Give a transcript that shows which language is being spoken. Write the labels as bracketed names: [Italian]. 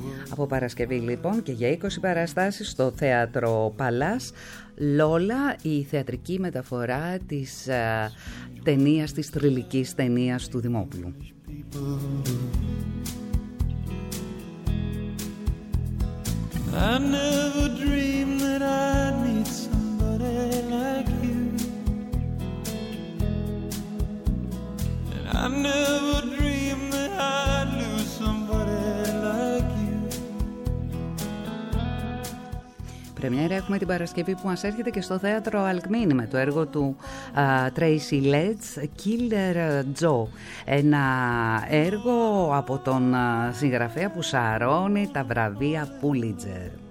[Greek] Από Παρασκευή λοιπόν και για 20 παραστάσεις στο Θέατρο Παλάς, Λόλα, η θεατρική μεταφορά της ταινίας, της θρυλικής ταινίας του Δημόπουλου. [English] I never dreamed that I'd meet somebody like you. And I never dreamed that I'd lose somebody like you. [Greek] Πρεμιέρα έχουμε την Παρασκευή που μας έρχεται και στο θέατρο Αλκμίνη με το έργο του Tracy Letts, Killer Joe. Ένα έργο από τον συγγραφέα που σαρώνει τα βραβεία Pulitzer.